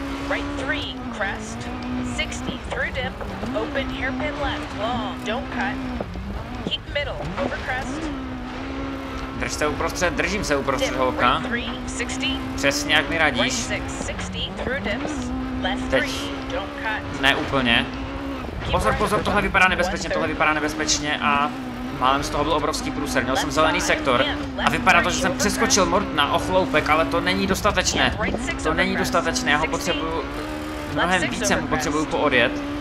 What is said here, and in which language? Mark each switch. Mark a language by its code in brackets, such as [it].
[en] Right 3, crest, 60, through dip, open hairpin left, long, don't cut, keep middle, over crest. [cs] Držte uprostřed, držím se uprostřed, holka. [en] Right 3, 60, [cs] přesně jak mi radíš. [en] Right 6, 60, through dips, left 3, don't cut. [cs] Ne úplně. Pozor, tohle vypadá nebezpečně a málem z toho byl obrovský průser, měl jsem zelený sektor a vypadá to, že jsem přeskočil Mortna o chloupek, ale to není dostatečné, já ho potřebuju, mnohem více mu potřebuju poodjet.